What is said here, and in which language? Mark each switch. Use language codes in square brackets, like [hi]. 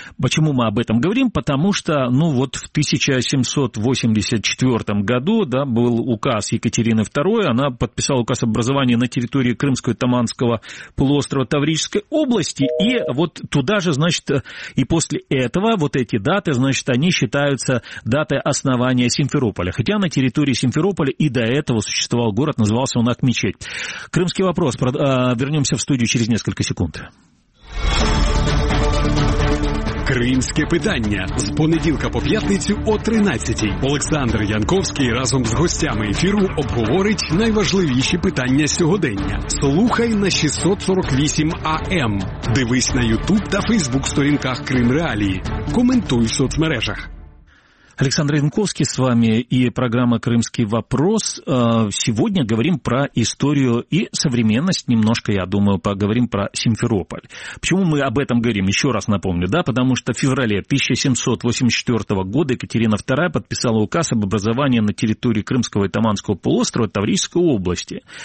[ru] Почему мы об этом говорим? Потому что, в 1784 году, да, был указ Екатерины II, она подписала указ об образовании на территории Крымского и Таманского полуострова Таврической области, и вот туда же, и после этого вот эти даты, они считаются датой основания Симферополя. Хотя на территории Симферополя и до этого существовал город, назывался он Акмечеть. Крымский вопрос. Вернемся в студию через несколько секунд. [uk] Крымське питання. З понеділка по п'ятницю о 13:00. Олександр Янковський разом з гостями ефіру обговорить найважливіші питання сьогодення. Слухай на 648 АМ. Дивись на Ютуб та Фейсбук сторінках Крим Реалії. Коментуй в соцмережах. [ru] Александр Янковский с вами и программа «Крымский вопрос». Сегодня говорим про историю и современность немножко, я думаю, поговорим про Симферополь. Почему мы об этом говорим? Еще раз напомню, да, потому что в феврале 1784 года Екатерина II подписала указ об образовании на территории Крымского и Таманского полуострова Таврической области.